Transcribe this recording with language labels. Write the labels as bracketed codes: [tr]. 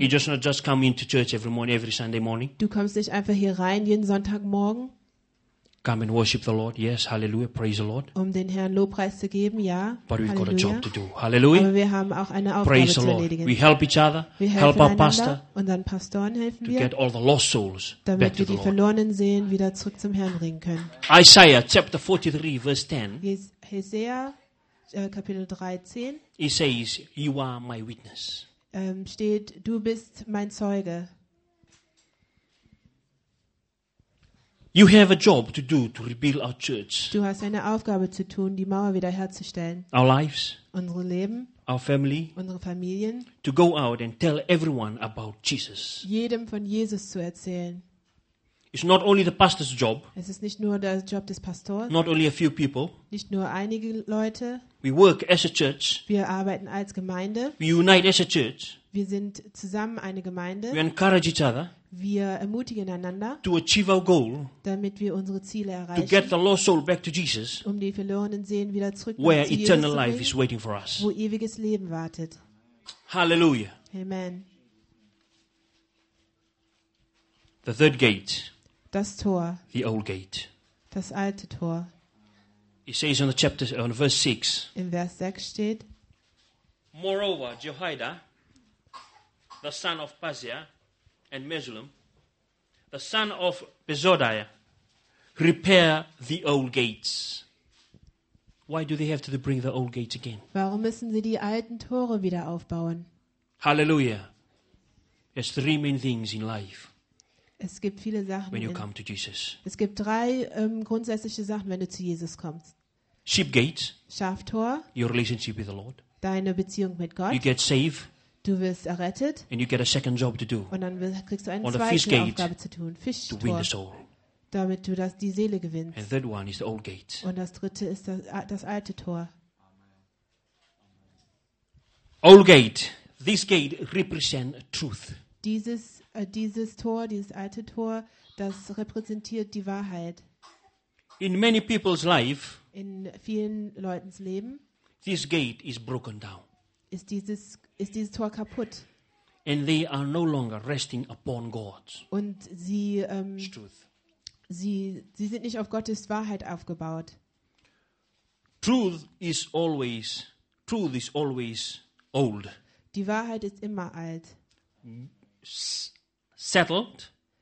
[en] You just not just come into church every morning, every Sunday morning. [de] Du kommst nicht einfach hier rein jeden Sonntagmorgen. [en] Come and worship the Lord. Yes, hallelujah. Praise the Lord. [de] Um den Herrn Lobpreis zu geben, ja. [en] But we've got a job to do. Hallelujah. [de] Aber wir haben auch eine Aufgabe [en] praise [de] zu erledigen. [en] The Lord. We help each other. [de] Wir helfen [en] help [de] einander. [en] Our pastor. [de] Unseren Pastoren helfen [en] to [de] wir. [en] To get all the lost souls back to the Lord. [de] Damit wir die verlorenen Seelen wieder zurück zum Herrn bringen können. [en] Isaiah chapter 43 verse 10. [de] Hesea Kapitel 13. [en] He says, "You are my witness." [de] Steht, du bist mein Zeuge. [en] You have a job to do to rebuild our church. [de] Du hast eine Aufgabe zu tun, die Mauer wiederherzustellen. [en] Our lives. [de] Unsere Leben. [en] Our family. [de] Unsere Familien. [en] To go out and tell everyone about Jesus. [de] Jedem von Jesus zu erzählen. [en] It's not only the pastor's job. [de] Es ist nicht nur der Job des Pastors. [en] Not only a few people. [de] Nicht nur einige Leute. [en] We work as a church. [de] Wir arbeiten als Gemeinde. [en] We unite as a church. [de] Wir sind zusammen eine Gemeinde. [en] We encourage each other. [de] Wir ermutigen einander, [en] to achieve our goal, [de] damit wir unsere Ziele erreichen, [en] to get the lost soul back to Jesus, [de] um die verlorenen Seelen wieder zurück [en] where [de] zu [en] eternal [de] Jesus [en] life [de] zu bringen, [en] is waiting for us. [de] Wo ewiges Leben wartet. Halleluja. Amen. [en] The third gate, [de] das Tor, [en] the old gate, [de] das alte Tor. [en] It says on the chapter, on verse 6, [de] in Vers 6 steht, [en] moreover, Jehoiada, the son of Paseah, and Mesulam, the son of Besodiah, repair the old gates. Why do they have to bring the old gates again? [de] Warum müssen sie die alten Tore wieder aufbauen? [en] Hallelujah. There's three main things in life. [de] Es gibt viele Sachen. [en] When you come to Jesus. [de] Es gibt drei grundsätzliche Sachen, wenn du zu Jesus kommst. [en] Sheep gates. [de] Schaftor. [en] Your relationship with the Lord. [de] Deine Beziehung mit Gott. [en] You get saved. [de] Du wirst errettet. [en] And you get a second job to do. [de] Und dann kriegst du eine zweite Aufgabe zu tun. Fischtor. [en] To win the soul. [de] Damit du das, die Seele gewinnst. [en] And third one is the old gate. [de] Und das dritte ist das alte Tor. [en] Old gate. This gate represents truth. [de] Dieses Tor, dieses alte Tor, das repräsentiert die Wahrheit. [en] In many people's life. [de] In vielen Leuten's Leben. [en] This gate is broken down. [de] Ist dieses Tor kaputt? [en] And they are no longer resting upon God. [de] Und sie sie sind nicht auf Gottes Wahrheit aufgebaut. [en] Truth is always old. [de] Die Wahrheit ist immer alt. [en] Settled.